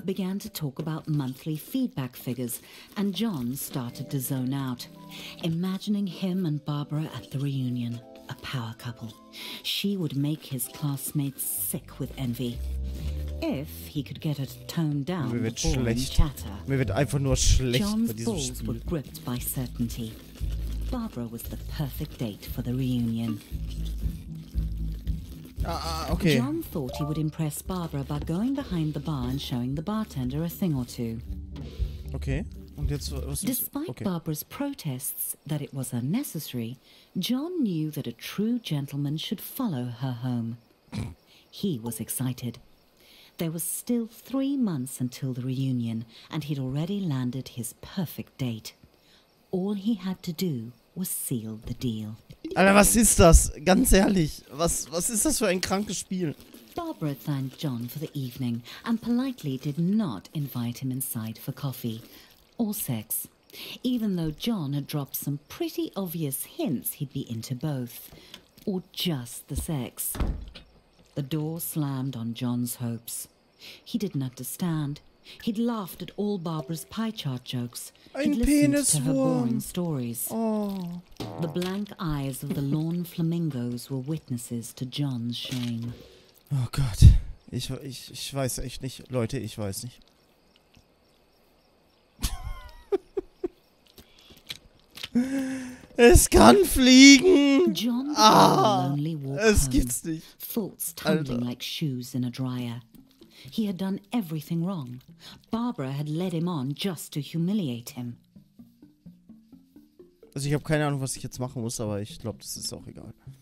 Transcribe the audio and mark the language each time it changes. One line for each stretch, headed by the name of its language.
English: Began to talk about monthly feedback figures and John started to zone out, imagining him and Barbara at the reunion. A power couple. She would make his classmates sick with envy. If he could get her to tone down the boring chatter,
German: mir wird einfach nur schlecht bei diesem Spiel.
English: John's balls were gripped by certainty. Barbara was the perfect date for the reunion. Okay. John thought he would impress Barbara by going behind the bar and showing the bartender a thing or two.
German: Okay. Und jetzt, was
English: Despite
German: ist, okay.
English: Barbara's protests that it was unnecessary, John knew that a true gentleman should follow her home. He was excited. There was still 3 months until the reunion, and he'd already landed his perfect date. All he had to do was seal the deal.
German: Alter, was ist das? Ganz ehrlich, was ist das für ein krankes Spiel?
English: Barbara thanked John for the evening and politely did not invite him inside for coffee. Or sex, even though John had dropped some pretty obvious hints he'd be into both, or just the sex. The door slammed on John's hopes. He didn't understand. He'd laughed at all Barbara's pie chart jokes.
German: Ein Penis
English: to her boring stories. Oh. The blank eyes of the lawn flamingos were witnesses to John's shame.
German: Oh Gott, ich weiß echt nicht, Leute, ich weiß nicht. Es kann fliegen.
English: John lonely walk home.
German: Es gibt's nicht.
English: Thoughts tumbling like shoes in a dryer. He had done everything wrong. Barbara had led him on just to humiliate him.
German: Also ich habe keine Ahnung, was ich jetzt machen muss, aber ich glaube, das ist auch egal.